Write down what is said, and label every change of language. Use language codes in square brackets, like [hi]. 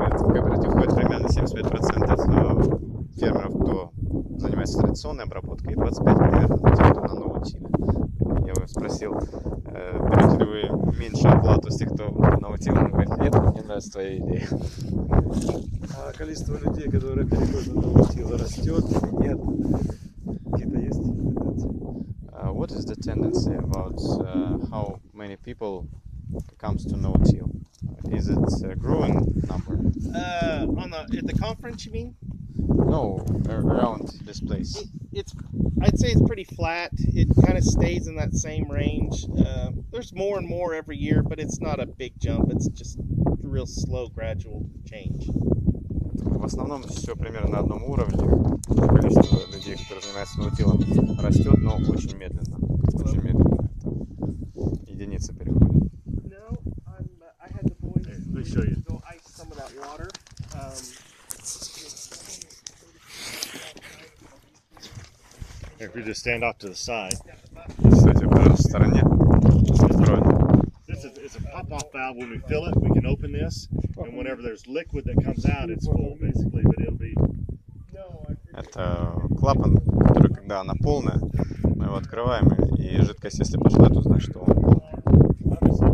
[ru] Кооператив входит примерно 75% фермеров, кто занимается традиционной обработкой, и 25% кто на новом тиле. Я бы спросил, берете ли вы меньше оплату с тех, кто на новом тиле? Он говорит, нет, мне нравится твоя идея. А количество людей, которые переходят на новом тиле, растет или нет? Какие-то есть тенденции? [en] What is the tendency about how many people comes to no-till? Is it a growing number? At the conference, you mean? No, around this place. I'd say it's pretty flat. It kind of stays in that same range. There's more and more every year, but it's not a big jump. It's just a real slow, gradual change. [ru] В основном все примерно на одном уровне. Количество людей, которые занимаются ноутилом, растет, но очень медленно. Очень медленно. Единицы переходят. [en] If you just stand off to the side. [ru] Кстати, в стороне. [en] It's a pop-off valve. When we fill it, we can open this, and whenever there's liquid that comes out, it's full, basically, but it'll be... [ru] Это клапан, который, когда она полная, мы его открываем, и жидкость, если пошла, то значит, что он